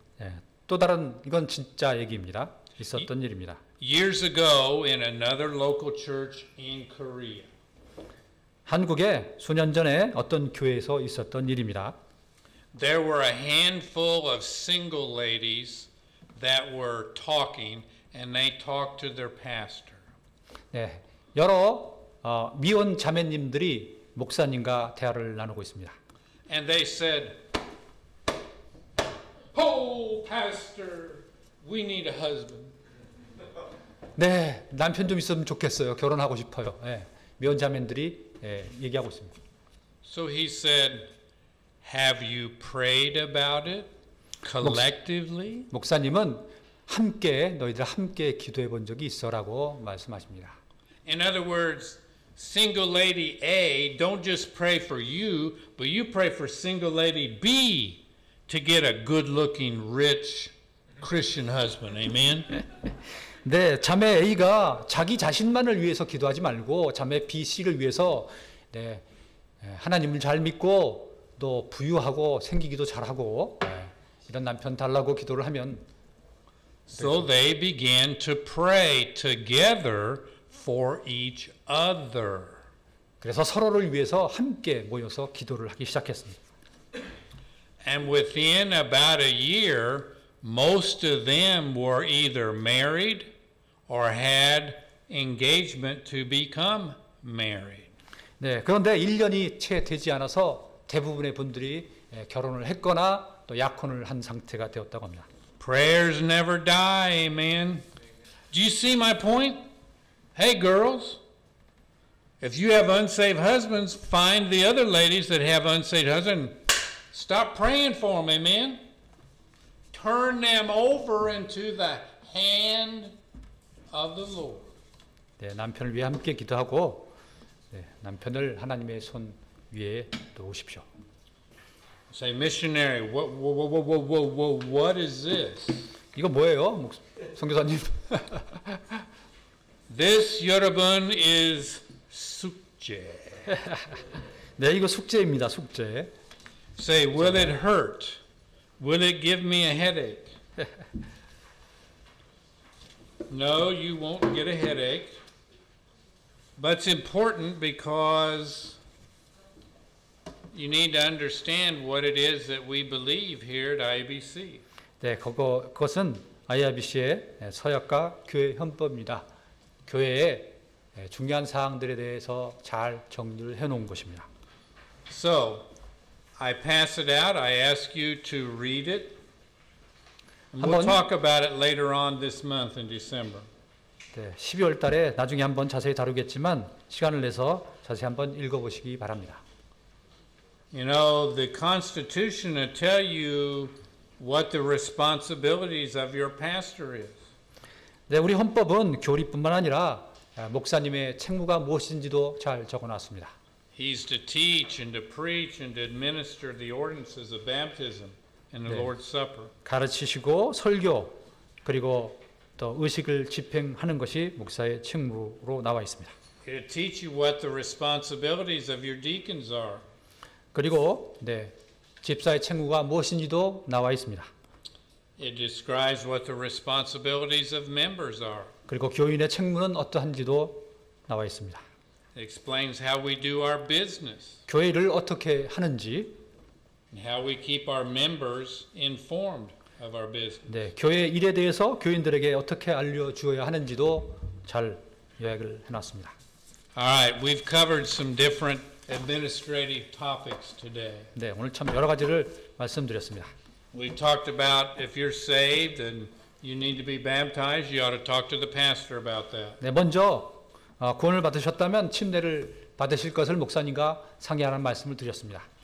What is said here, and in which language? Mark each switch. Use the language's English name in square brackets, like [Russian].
[Korean] 예, 또 다른 이건 진짜 얘기입니다. 있었던 일입니다. [English] Years ago in another local church in Korea. [Korean] 한국에 수년 전에 어떤 교회에서 있었던 일입니다. [English] There were a handful of single ladies that were talking and they talked to their pastor. [Korean] 네. 여러 미혼 자매님들이 목사님과 대화를 나누고 있습니다. [English] And they said, "Oh, pastor, we need a husband." [Korean] 네. 남편 좀 있으면 좋겠어요. 결혼하고 싶어요. 예. 네, 미혼 자매들이 얘기하고 있습니다. [English] So he said, Have you prayed about it collectively? [Korean] 목사님은 함께 너희들 함께 기도해 본 적이 있어라고 말씀하십니다. [English] In other words, single lady A, don't just pray for you, but you pray for single lady B to get a good-looking, rich Christian husband. Amen. [Korean] 네, 자매 A가 자기 자신만을 위해서 기도하지 말고 자매 B, C를 위해서 네, 하나님을 잘 믿고 또 부유하고 생기기도 잘하고 네, 이런 남편 달라고 기도를 하면 [English] So they began to pray together for each other. [Korean] 그래서 서로를 위해서 함께 모여서 기도를 하기 시작했습니다. [English] And within about a year, most of them were either married or had engagement to become married. [Korean] 네, 그런데 1년이 채 되지 않아서 대부분의 분들이 결혼을 했거나 또 약혼을 한 상태가 되었다고 합니다. [English] Prayers never die, amen. Do you see my point? Hey, girls, if you have unsaved husbands, find the other ladies that have unsaved husbands. Stop praying for them, amen. Turn them over into the hand of the Lord. [Korean] 네, 남편을 위해 함께 기도하고 네, 남편을 하나님의 손 위에 놓으십시오. [English] Say, missionary, what is this? [Korean] 이거 뭐예요, 선교사님? [English] This, [Korean] 여러분, [English] is [Korean] 숙제. 네, 이거 숙제입니다, 숙제. [English] Say, will it hurt? Will it give me a headache? No, you won't get a headache. But it's important because you need to understand what it is that we believe here at IBC. [Korean] 네, 그것은 IBC의 서약과 교회 헌법입니다. 교회의 중요한 사항들에 대해서 잘 정리를 해놓은 것입니다. [English] So, I pass it out. I ask you to read it. We'll talk about it later on this month in December. [Korean] 네, 12월 달에 나중에 한번 자세히 다루겠지만 시간을 내서 자세히 한번 읽어보시기 바랍니다. [English] You know, the Constitution will tell you what the responsibilities of your pastor is. [Korean] 네, 우리 헌법은 교리뿐만 아니라 목사님의 책무가 무엇인지도 잘 적어놨습니다. [English] He's to teach and to preach and to administer the ordinances of baptism and the 네, Lord's Supper. [Korean] 가르치시고 설교 그리고 또 의식을 집행하는 것이 목사의 책무로 나와 있습니다. [English] He'll teach you what the responsibilities of your deacons are. [Korean] 그리고 네, 집사의 책무가 무엇인지도 나와 있습니다. [English] It describes what the responsibilities of members are. [Korean] 그리고 교인의 책무는 어떠한지도 나와 있습니다. [English] It explains how we do our business. [Korean] 교회를 어떻게 하는지. [English] And how we keep our members informed of our business. [Korean] 네, 교회 일에 대해서 교인들에게 어떻게 알려주어야 하는지도 잘 요약을 해놨습니다. [English] All right, we've covered some different administrative topics today. [Korean] 네, 오늘 참 여러 가지를 말씀드렸습니다. [English] We talked about if you're saved and you need to be baptized, you ought to talk to the pastor about that. [Korean] 네, 먼저 구원을 받으셨다면 침례를 받으실 것을 목사님과 상의하라는 말씀을 드렸습니다.